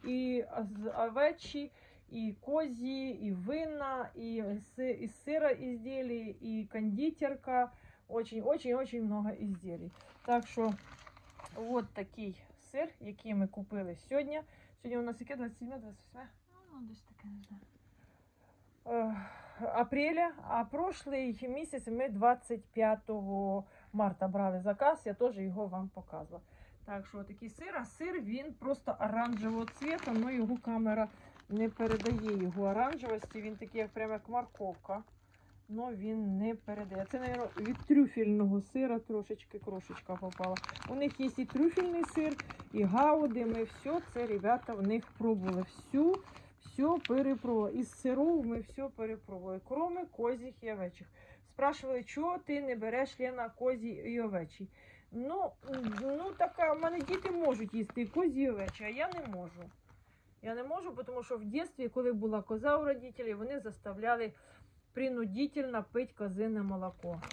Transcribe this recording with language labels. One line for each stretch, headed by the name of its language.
Ukrainian: І з овечі, і козі, і вина, і сира ізділі, і кондитерка.
Russian: Очень-очень-очень много
Ukrainian: ізділій. Так що, от такий сир, який ми купили сьогодні. Сьогодні у нас яке? 27-28? Ну, десь таке, не знаю.
Russian: Апреля, а прошлый месяц мы 25 марта брали заказ, я тоже его вам показывала. Так что такой сыр, а сыр, он просто оранжевого цвета, но его камера не передает его оранжевости, он такой прямо как морковка, но он не передает. Это, наверное, от трюфельного сыра трошечки крошечка попала. У них есть и трюфельный сыр, и гауди, мы все это, ребята, в них пробовали всю.
Ukrainian: Все перепробували. Із сиров ми все перепробували, кроме козіх і овечих. Спрашували, чого ти не береш, Лена, козі і овечі? Ну така, в мене діти можуть їсти козі і овечі, а я не можу. Я не можу, тому що в дитинстві, коли була коза у родителів, вони заставляли принудительно пити козине молоко.